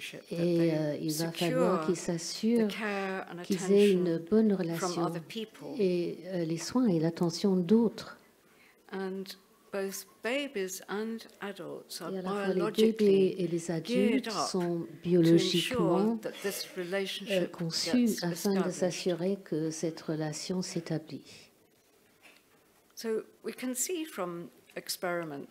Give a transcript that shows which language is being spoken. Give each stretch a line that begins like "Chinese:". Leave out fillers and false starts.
French: Et il va falloir qu'ils s'assurent qu'ils aient une bonne relation et les soins et l'attention d'autres.
English: Both babies and adults are
French: et à la fois les bébés et les adultes sont biologiquement conçus afin de s'assurer que cette relation s'établit.
English: So we can see from experiments,